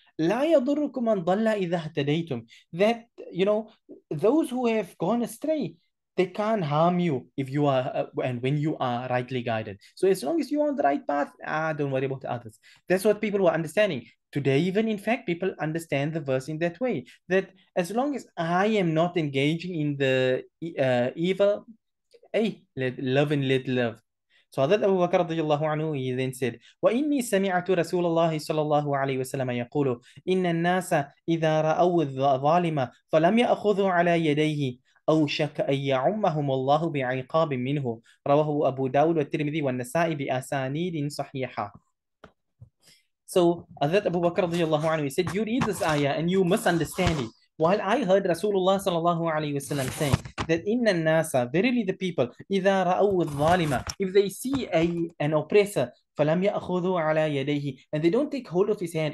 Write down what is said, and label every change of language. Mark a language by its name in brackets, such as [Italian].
[Arabic] La yadurukum man dalla idha hadaytum, [English] that you know, those who have gone astray, they can't harm you if you are and when you are rightly guided. So as long as you are on the right path, don't worry about others. That's what people were understanding. Today, even in fact, people understand the verse in that way. That as long as I am not engaging in the evil, hey, let love and let love. So Hazrat Abu Bakr radiyallahu anhu, he then said, [Arabic] وَإِنِّي سَمِعَتُ رَسُولَ اللَّهِ صَلَى اللَّهُ عَلَيْهِ وَسَلَّمَ يَقُولُ إِنَّ النَّاسَ إِذَا رَأَوُوا الظَّالِمَ فَلَمْ يَأْخُذُوا عَلَى يَدَيْهِ أوشك أن يعمهم الله بعقاب منه رواه أبو داود والترمذي والنسائي بأسانيد صحيحة. [English] So Hazrat Abu Bakr radiyallahu anhu, he said, you read this ayah and you misunderstand it. While I heard Rasulullah sallallahu alayhi wasallam saying that [Arabic] إن الناس, [English] verily the people, [Arabic] إذا رأوا الظالمة, [English] if they see an oppressor, [Arabic] فلم يأخذوا على يديه, [English] and they don't take hold of his hand.